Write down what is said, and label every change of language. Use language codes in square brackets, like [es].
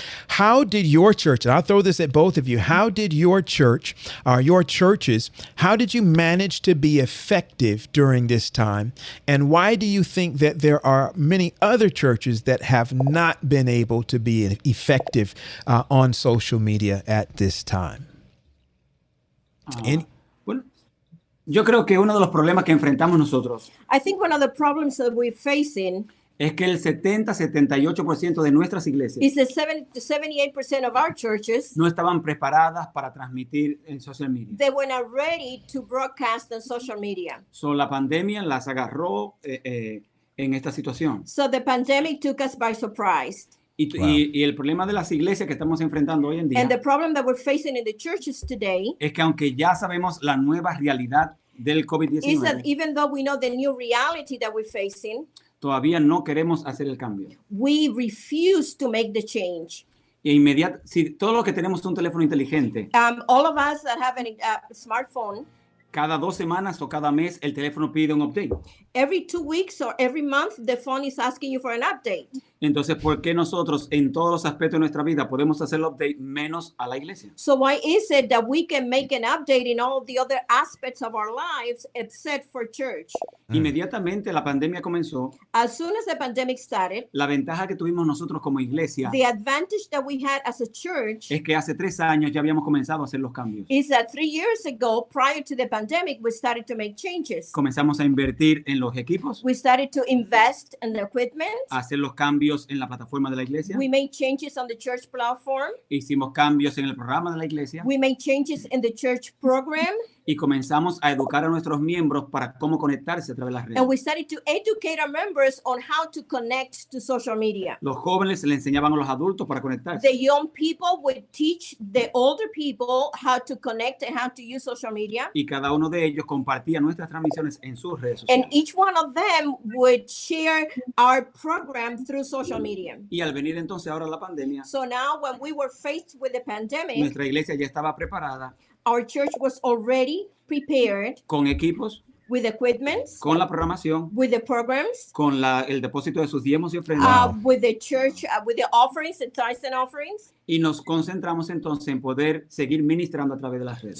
[en] How did your church, and I'll throw this at both of you, how did your church or your churches, how did you manage to be effective during this time? And why do you think that there are many other churches that have not been able to be effective on social media at this time? [es] Yo creo que uno de los problemas que enfrentamos nosotros, [en] I think one of the problems that we're facing, [es] es que el 78% de nuestras iglesias, [en] is that 78% of our churches, [es] no estaban preparadas para transmitir en social media. [en] They were not ready to broadcast on social media. [es] So la pandemia las agarró en esta situación. [en] So the pandemic took us by surprise. [es] Y el problema de las iglesias que estamos enfrentando hoy en día, [en] and the problem that we're facing in the churches today, [es] es que aunque ya sabemos la nueva realidad del COVID-19, [en] is that even though we know the new reality that we're facing, [es] todavía no queremos hacer el cambio. [en] We refuse to make the change. [es] E inmediato, si todos los que tenemos un teléfono inteligente, [en] all of us that have a smartphone, [es] cada dos semanas o cada mes el teléfono pide un update. [en] Every 2 weeks or every month the phone is asking you for an update. [es] Entonces, ¿por qué nosotros en todos los aspectos de nuestra vida podemos hacer el update menos a la iglesia? [en] So why is it that we can make an update in all the other aspects of our lives except for church? [es] Inmediatamente la pandemia comenzó. [en] As soon as the pandemic started, [es] la ventaja que tuvimos nosotros como iglesia, [en] the advantage that we had as a church, [es] es que hace 3 años ya habíamos comenzado a hacer los cambios. [en] Is that 3 years ago, prior to the pandemic, we started to make changes. [es] Comenzamos a invertir en los equipos. [en] We started to invest in the equipment. [es] Hacer los cambios en la plataforma de la iglesia. [en] We made changes on the church platform. [es] Hicimos cambios en el programa de la iglesia. [en] We made changes in the church program. [es] Y comenzamos a educar a nuestros miembros para cómo conectarse a través de las redes. [en] And we started to educate our members on how to connect to social media. [es] Los jóvenes le enseñaban a los adultos para conectarse. [en] The young people would teach the older people how to connect and how to use social media. [es] Y cada uno de ellos compartía nuestras transmisiones en sus redes sociales. [en] And each one of them would share our program through social media. [es] Y al venir entonces ahora la pandemia, [en] so now when we were faced with the pandemic, [es] nuestra iglesia ya estaba preparada. [en] Our church was already prepared [es] con equipos, [en] with equipment, [es] con la programación, [en] with the programs, [es] con el depósito de sus diezmos y ofrendas, [en] with the church, with the offerings, the tithes and offerings. [es] Y nos concentramos entonces en poder seguir ministrando a través de las redes.